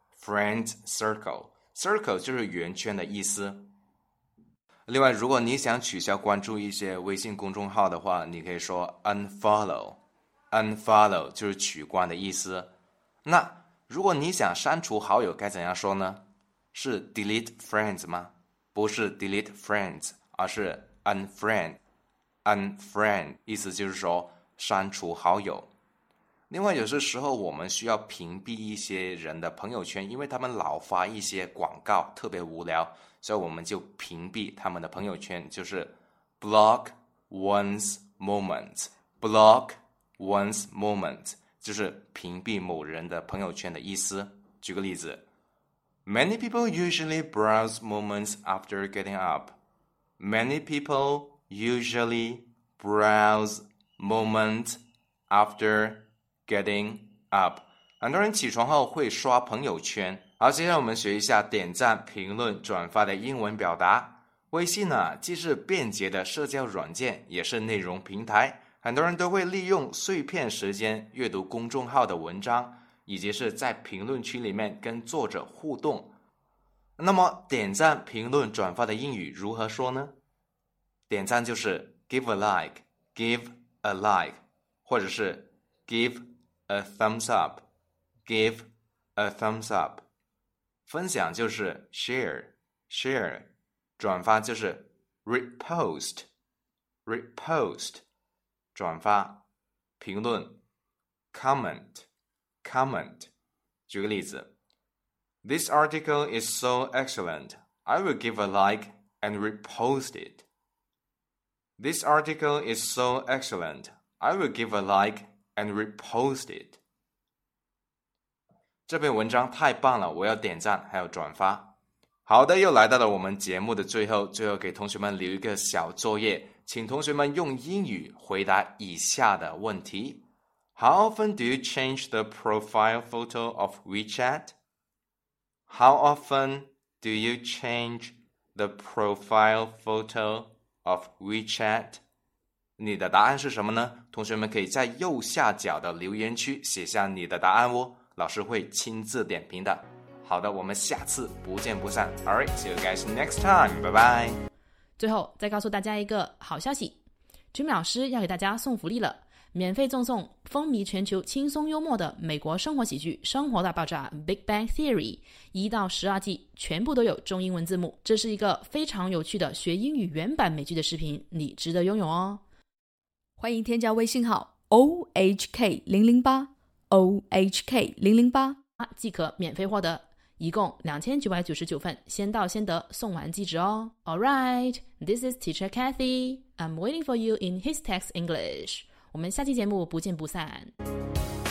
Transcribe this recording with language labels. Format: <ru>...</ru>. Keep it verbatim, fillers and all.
<zh>friend circle circle 就是圆圈的意思。另外，如果你想取消关注一些微信公众号的话，你可以说 unfollow。 Unfollow 就是取关的意思。那如果你想删除好友该怎样说呢？是 delete friends 吗？ 不是 delete friends， 而是 unfriend。 unfriend 意思就是说删除好友。另外，有些时候我们需要屏蔽一些人的朋友圈，因为他们老发一些广告，特别无聊，所以我们就屏蔽他们的朋友圈，就是 block one's moment。 block one's moment 就是屏蔽某人的朋友圈的意思。举个例子，</zh> <en>Many people usually browse moments after getting up. Many people usually browse moments after getting up.</en> <zh>很多人起床后会刷朋友圈。好，接下来我们学一下点赞、评论、转发的英文表达。微信呢，既是便捷的社交软件，也是内容平台。很多人都会利用碎片时间阅读公众号的文章，以及是在评论区里面跟作者互动。那么点赞、评论、转发的英语如何说呢？点赞就是</zh> <en>give a like, give a like，</en> <zh>或者是</zh> <en>give a thumbs up, give a thumbs up。</en> <zh>分享就是 share, share， 转发就是 repost, repost。转发、评论</zh> <en>comment comment</en> <zh>举个例子，</zh> <en>This article is so excellent. I will give a like and repost it. This article is so excellent. I will give a like and repost it.</en> <zh>这篇文章太棒了，我要点赞还有转发。好的，又来到了我们节目的最后，最后给同学们留一个小作业，请同学们用英语回答以下的问题。</zh> <en>How often do you change the profile photo of WeChat? How often do you change the profile photo of WeChat?</en> <zh>你的答案是什么呢？同学们可以在右下角的留言区写下你的答案哦，老师会亲自点评的。好的，我们下次不见不散。</zh> <en>Alright, see you guys next time. Bye bye.</en> <zh>最后再告诉大家一个好消息， Jimmy 老师要给大家送福利了，免费赠送风靡全球轻松幽默的美国生活喜剧《生活大爆炸》Big Bang Theory 一到十二季，全部都有中英文字幕。这是一个非常有趣的学英语原版美剧的视频，你值得拥有哦。欢迎添加微信号 O H K 零零八 O H K 零零八即可免费获得，一共两千九百九十九份，先到先得，送完即止哦。</zh> <en>Alright, this is Teacher Cathy. I'm waiting for you in His Text English.</en> <zh>我们下期节目不见不散。</zh>